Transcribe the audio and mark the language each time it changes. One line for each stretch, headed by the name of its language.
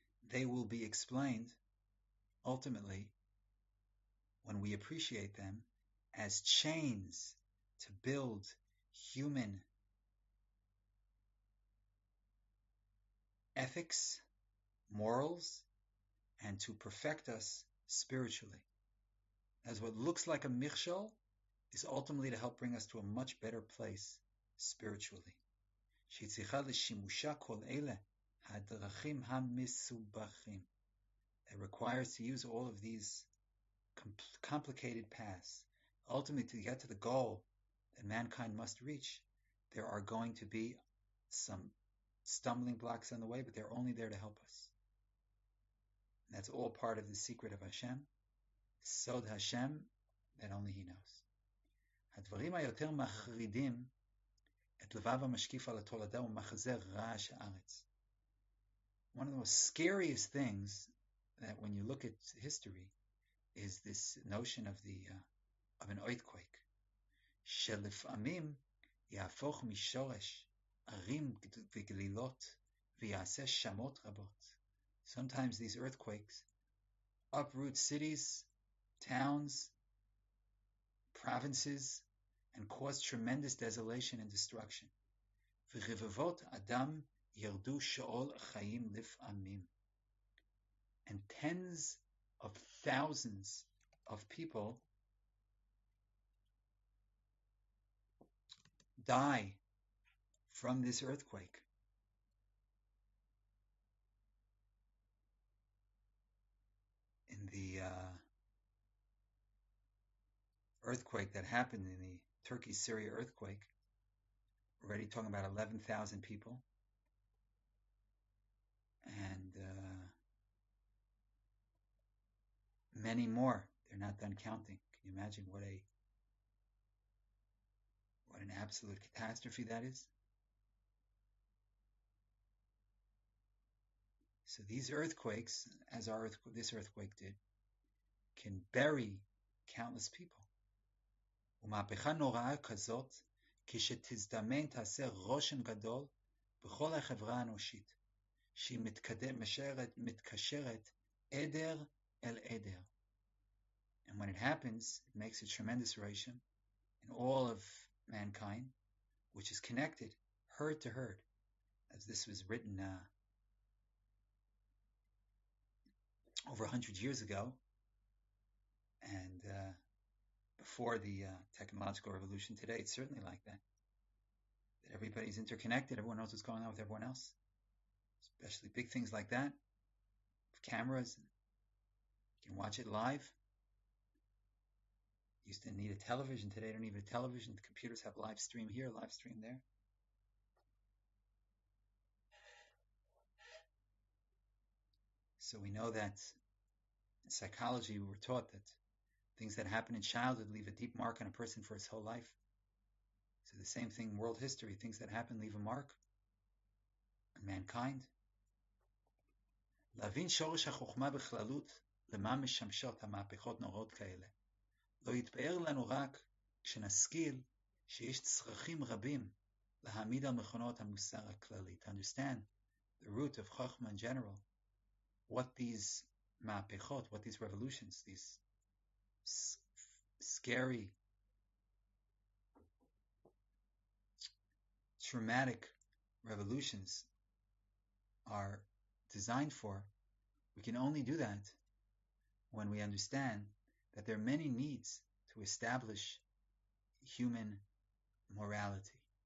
English: They will be explained, ultimately, when we appreciate them, as chains to build human ethics, morals, and to perfect us spiritually. As what looks like a michshol is ultimately to help bring us to a much better place spiritually.
Hebrew: שצריכה לשימושה כל אלה הדרכים המסובכים.
English: It requires to use all of these complicated paths. Ultimately, to get to the goal that mankind must reach, there are going to be some stumbling blocks on the way, but they're only there to help us. And that's all part of the secret of Hashem.
Hebrew: סוד השם,
English: that only he knows.
Hebrew: הדברים היותר מחרידים את לבב המשקיף על התולדה ומחזה רעש הארץ.
English: One of the most scariest things that when you look at history is this notion of an earthquake.
Hebrew: שלפעמים יהפוך משורש ערים וגלילות ויעשה שמות רבות.
English: Sometimes these earthquakes uproot cities, towns, provinces, and cause tremendous desolation and destruction.
Hebrew: ורבבות אדם ירדו שאול חיים לפעמים.
English: And tens of thousands of people die from this earthquake. In the earthquake that happened in the Turkey-Syria earthquake. We're already talking about 11,000 people. And many more. They're not done counting. Can you imagine what an absolute catastrophe that is? So these earthquakes, as this earthquake did, can bury countless people.
Hebrew: ומהפכה נוראה כזאת כשתזדמן תעשה רושם גדול בכל החברה האנושית שהיא מתקשרת עדר אל עדר.
English: And when it happens, it makes a tremendous ration in all of mankind, which is connected, herd to herd, as this was written over 100 years ago, and before the technological revolution today, it's certainly like that. That everybody's interconnected, everyone knows what's going on with everyone else. Especially big things like that. Cameras, you can watch it live. Used to need a television, today I don't need a television. The computers have live stream here, live stream there. So we know that in psychology we were taught that things that happen in childhood leave a deep mark on a person for his whole life. So the same thing in world history. Things that happen leave a mark on mankind.
Hebrew: להבין שורש החוכמה בכללות למה משמשות המהפכות נוראות כאלה. לא יתבאר לנו רק כשנשכיל שיש צרכים רבים להעמיד על מכונות המוסר הכללי.
English: To understand the root of chokhmah in general, what these מהפכות, what these revolutions, these scary traumatic revolutions are designed for, we can only do that when we understand that there are many needs to establish human morality.